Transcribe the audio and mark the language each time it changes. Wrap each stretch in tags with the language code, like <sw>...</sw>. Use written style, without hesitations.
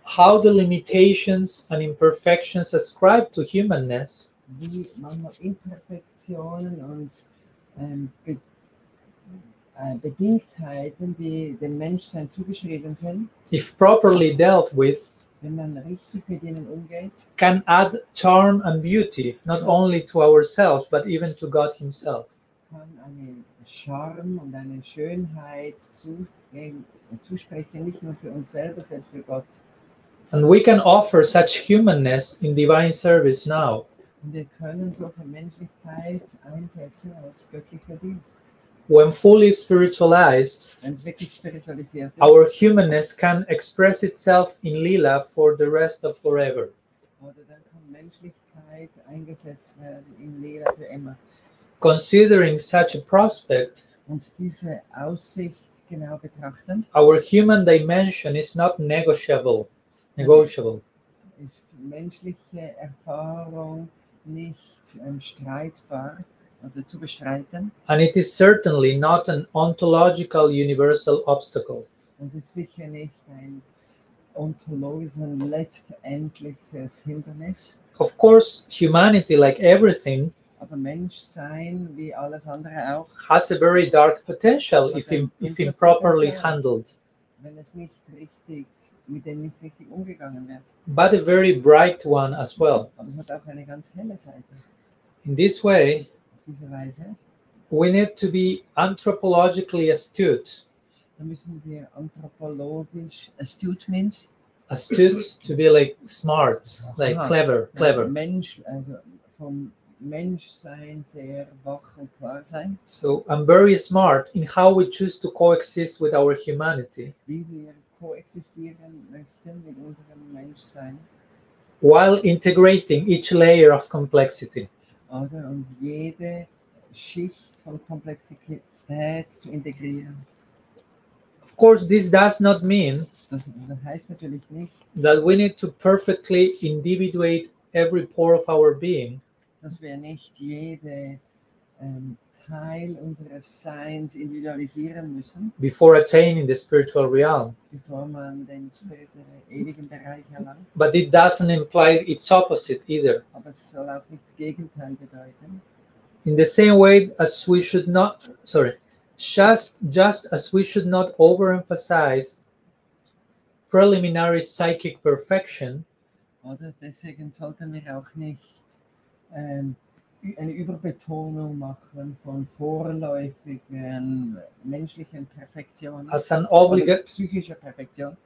<en>how the limitations and imperfections ascribed to humanness,</en> <de>wie manchmal Imperfektionen und Bedingtheiten, die dem Menschen zugeschrieben sind,</de> <en>if properly dealt with,</en> <de>wenn man richtig mit ihnen umgeht,</de> <en>can add charm and beauty not only to ourselves but even to God himself.</en> <de>Kann einen Charme und eine Schönheit zusprechen, nicht nur für uns selber, sondern für Gott.</de> <en>And we can offer such humanness in divine service now.</en> <de>Und wir können solche Menschlichkeit einsetzen als göttlicher Dienst.</de> <en>When fully spiritualized,</en> <de>wenn's wirklich spiritualisiert ist,</de> <en>our humanness can express itself in Lila for the rest of forever.</en> <de>Oder dann kann Menschlichkeit eingesetzt werden in Lila für immer.</de> <en>Considering such a prospect,</en> <de>und diese Aussicht genau betrachtend,</de> <en>our human dimension is not negotiable.</en> <de>Ist menschliche Erfahrung nicht streitbar? Oder zu bestreiten.</de> <en>And it is certainly not an ontological universal obstacle.</en> <de>Und ist sicher nicht ein ontologisch und letztendliches Hindernis.</de> <en>Of course, humanity, like everything,</en> <de>aber Menschsein wie alles andere auch,</de> <en>has a very dark potential if improperly handled.</en> <de>Wenn es nicht richtig, mit dem nicht richtig umgegangen wird.</de> <en>But a very bright one as well.</en> <de>Aber es hat auch eine ganz helle Seite.</de> <en>In this way,</en> <de>diese Weise,</de> <en>we need to be anthropologically astute.</en> <de>Da müssen wir anthropologisch,</de> <en>astute means? Astute, to be like smart, like clever.</en> <de>Mensch, also vom Menschsein sehr wach und klar sein.</de> <en>So I'm very smart in how we choose to coexist with our humanity.</en> <de>Wie wir koexistieren möchten mit unserem Menschsein.</de> <en>While integrating each layer of complexity.</en> <de>Oder und jede Schicht von Komplexität zu integrieren.</de> <en>Of course, this does not mean</en> <de>das heißt natürlich nicht,</de> <en>that we need to perfectly individuate every pore of our being.</en> <de>Dass wir nicht jede Teil unseres Seins individualisieren müssen.</de> <en>Before attaining the spiritual realm.</en> <de>Bevor man den späteren ewigen Bereich erlangt.</de> <en>But it doesn't imply its opposite either.</en> <de>Aber es soll auch nicht das Gegenteil bedeuten.</de> <en>In the same way as we should not, just as we should not overemphasize preliminary psychic perfection.</en> <de>Oder deswegen sollten wir auch nicht eine Überbetonung machen von vorläufigen menschlichen Perfektionen, psychischer Perfektion,</de>